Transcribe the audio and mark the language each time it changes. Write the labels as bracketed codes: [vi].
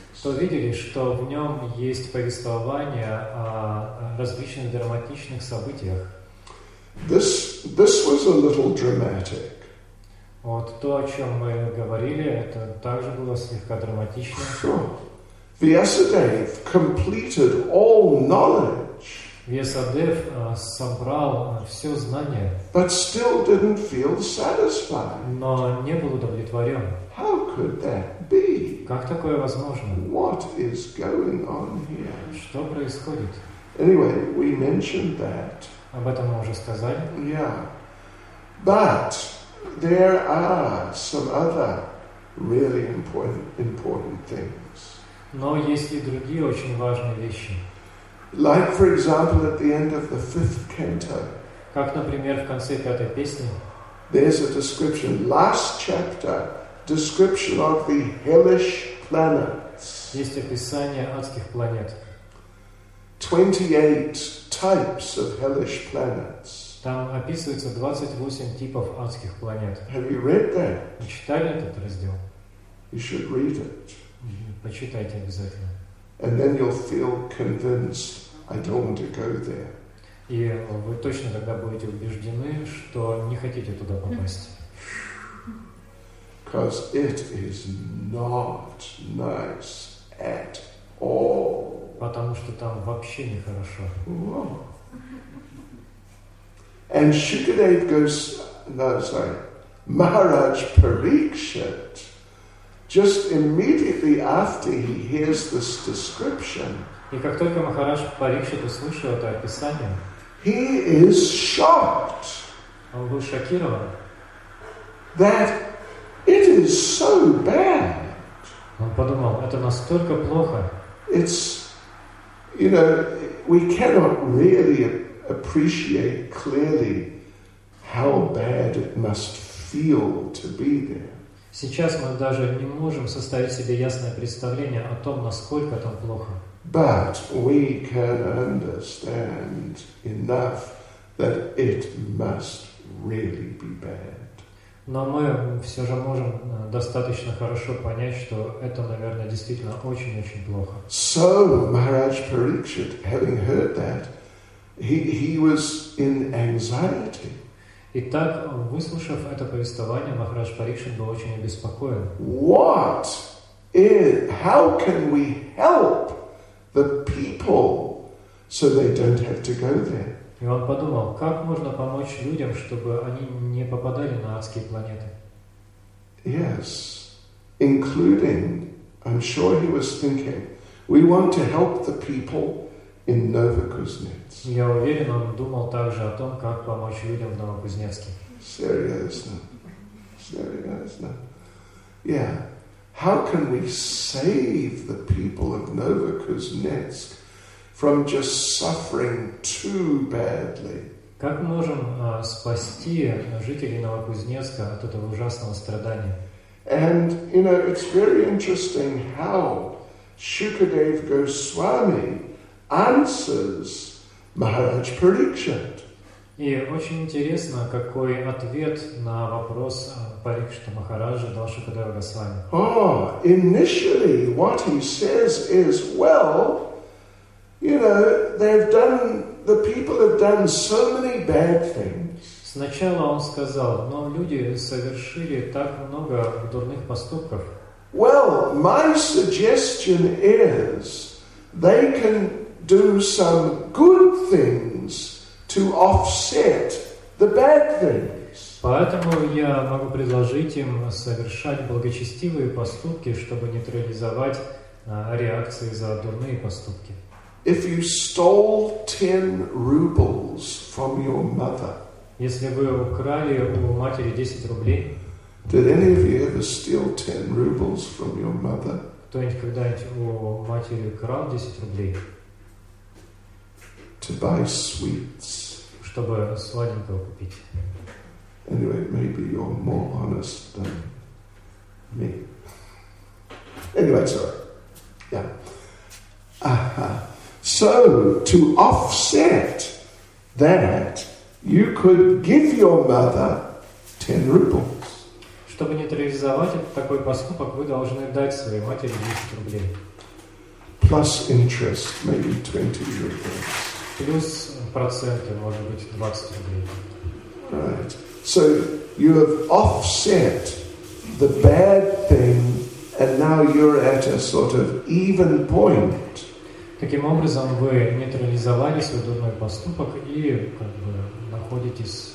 [ru] То видели, что в нем есть повествование о различных драматичных событиях. [en] This was a little dramatic. [ru] Вот то, о чем мы говорили, это также было слегка драматично. [en] Sure. Vyasadev completed all knowledge. [ru] Vyasadev собрал все знания. [en] But still didn't feel satisfied. [ru] Но не был удовлетворен. [en] How could that be? [ru] Как такое возможно? [en] What is going on here? [ru] Что происходит? [en] Anyway, we mentioned that. [ru] Об этом мы уже сказали. [en] Yeah. But there are some other really important things. [ru] Но есть и другие очень важные вещи. [en] Like, for example, at the end of the fifth canto. [ru] Как, например, в конце пятой песни. [en] There's a description. Last chapter. Description of the hellish planets. [ru] Есть описание адских планет. [en] 28 types of hellish planets. [ru] Там описывается 28 типов адских планет. [en] Have you read that? [ru] Вы читали этот раздел? [en] You should read it. [ru] Почитайте обязательно. [en] And then you'll feel convinced, I don't want to go there. [ru] И вы точно тогда будете убеждены, что не хотите туда попасть. [en] Because it is not nice at all. [ru] Потому что там вообще не хорошо. [en] And Shukadev goes, no, sorry, Maharaj Parikshit, just immediately after he hears this description. [ru] И как только Махарадж Парикшит услышал это описание, [en] he is shocked. [ru] Он был шокирован. [en] That it is so bad. [ru] Он подумал, это настолько плохо. [en] It's, you know, we cannot really appreciate clearly how bad it must feel to be there. [ru] Сейчас мы даже не можем составить себе ясное представление о том, насколько там плохо. [en] But we can understand enough that it must really be bad. [ru] Но мы все же можем достаточно хорошо понять, что это, наверное, действительно очень-очень плохо. [en] So Maharaj Parikshit, having heard that, he was in anxiety. [ru] Итак, выслушав это повествование, Махарадж Парикшит был очень обеспокоен. [en] What is, how can we help the people so they don't have to go there. [ru] И он подумал, как можно помочь людям, чтобы они не попадали на адские планеты. [en] Yes, including, I'm sure he was thinking, we want to help the people in Novokuznetsk. [ru] Я уверен, он думал также о том, как помочь людям в Новокузнецке. Серьезно. [en] Yeah. How can we save the people of Novokuznetsk from just suffering too badly? [ru] Как можем спасти жителей Новокузнецка от этого ужасного страдания? [en] And you know, it's very interesting how Shukadev Goswami answers Maharaj Parikshit. [ru] И очень интересно, какой ответ на вопрос Парикшита Махараджа дал Шукадева Госвами. [en] Oh, initially what he says is, well, you know, the people have done so many bad things. [ru] Сначала он сказал, но люди совершили так много дурных поступков. [en] Well, my suggestion is they can do some good things to offset the bad things. [ru] Поэтому я могу предложить им совершать благочестивые поступки, чтобы нейтрализовать реакции за дурные поступки. [en] If you stole 10 rubles from your mother, [ru] если вы украли у матери 10 рублей, [en] did any of you ever steal 10 rubles from your mother? [ru] Кто-нибудь когда-нибудь у матери украл 10 рублей? [en] To buy sweets. [ru] Чтобы сладенького купить. [en] Anyway, maybe you're more honest than me. Anyway, sorry. Yeah. So, to offset that, you could give your mother 10 rubles. [ru] Чтобы нейтрализовать такой поступок, вы должны дать своей матери 10 рублей. [en] Plus interest, maybe 20 rubles. [ru] Плюс проценты, может быть, 20 рублей. [en] Right. So you have offset the bad thing, and now you're at a sort of even point. [ru] Таким образом, вы нейтрализовали свой дурной поступок и как бы